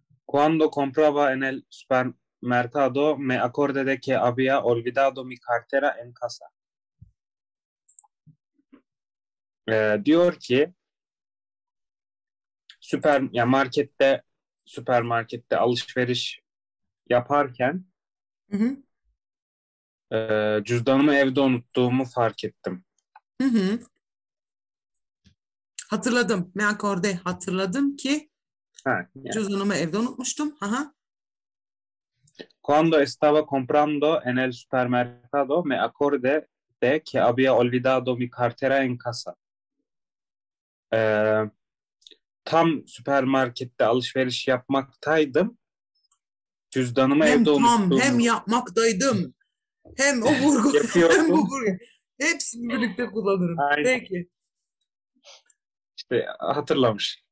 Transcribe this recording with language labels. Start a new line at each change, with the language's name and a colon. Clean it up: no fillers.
Spanish: Cuando compraba en el supermercado me acordé de que había olvidado mi cartera en casa.
Turkish: Diyor ki süper ya markette süpermarkette alışveriş yaparken cüzdanımı evde unuttuğumu fark ettim. Hı hı. Hatırladım. Me acordé. Hatırladım ki cüzdanımı evde unutmuştum. Aha.
Spanish: Cuando estaba comprando en el supermercado me acordé de que había olvidado mi cartera en casa.
Turkish: Tam süpermarkette alışveriş yapmaktaydım. Cüzdanımı hem evde unuttum. Hem yapmaktaydım. Hem o vurgu. Hem bu vurgu. Hepsini birlikte kullanırım. Aynen. Peki. İşte hatırlamış.